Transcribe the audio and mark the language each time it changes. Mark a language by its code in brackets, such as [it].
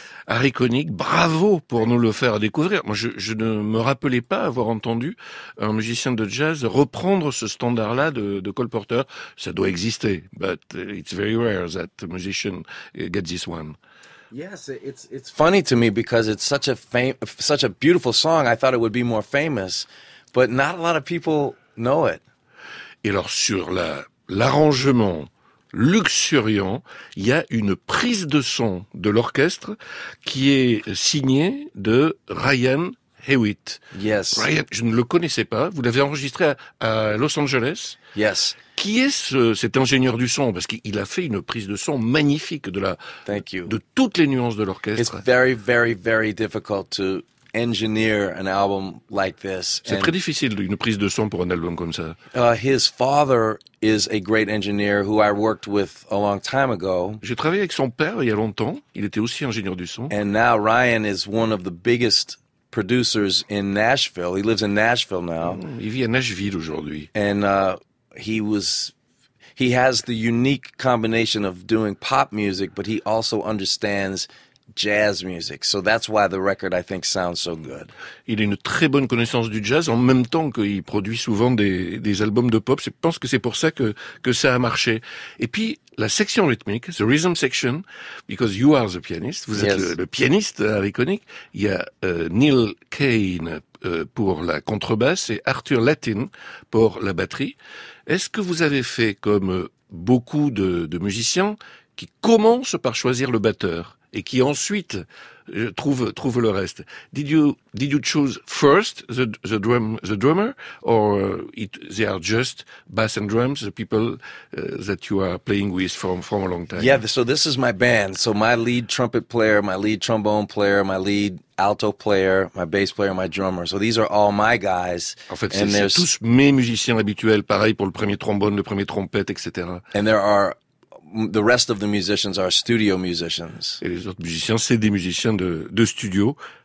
[fr] Harry Connick, bravo pour nous le faire découvrir. Moi, je ne me rappelais pas avoir entendu un musicien de jazz reprendre ce standard-là de Cole Porter. Ça doit exister, [en] but it's very rare that a musician gets this one. Yes, it's funny to me because it's such a beautiful song. I thought it would be more famous. But not a lot of people know it. [fr] Et alors sur l'arrangement luxuriant, il y a une prise de son de l'orchestre qui est signée de Ryan Hewitt. [en] Yes. [fr] Ryan, je ne le connaissais pas. Vous l'avez enregistré à Los Angeles. [en] Yes. [fr] Qui est cet ingénieur du son? Parce qu'il a fait une prise de son magnifique de toutes les nuances de l'orchestre. [en] It's very, very, very difficult to engineer an album like this. [fr] C'est très difficile une prise de son pour un album comme ça. [en] His father is a great engineer who I worked with a long time ago. [fr] J'ai travaillé avec son père il y a longtemps. Il était aussi ingénieur du son. [en] And now Ryan is one of the biggest producers in Nashville. He lives in Nashville now. [fr] Il vit à Nashville aujourd'hui. [en] And he has the unique combination of doing pop music, but he also understands jazz music. So that's why the record, I think, sounds so good. [fr] Il a une très bonne connaissance du jazz en même temps qu'il produit souvent des albums de pop. Je pense que c'est pour ça que ça a marché. Et puis, la section rythmique, [en] the rhythm section, because you are the pianist, [fr] vous êtes le pianiste à Iconic. Il y a Neil Kane pour la contrebasse et Arthur Latin pour la batterie. Est-ce que vous avez fait comme beaucoup de musiciens qui commencent par choisir le batteur? Et qui ensuite trouve le reste. [en] Did you choose first the drummer or they are just bass and drums, the people that you are playing with from a long time? Yeah, so this is my band. So my lead trumpet player, my lead trombone player, my lead alto player, my bass player, my drummer. So these are all my guys. [fr] En fait, c'est tous mes musiciens habituels. Pareil pour le premier trombone, le premier trompette, etc. [en] And there are the rest of the musicians are studio musicians. [fr] Et les autres musiciens, c'est des musiciens de studio.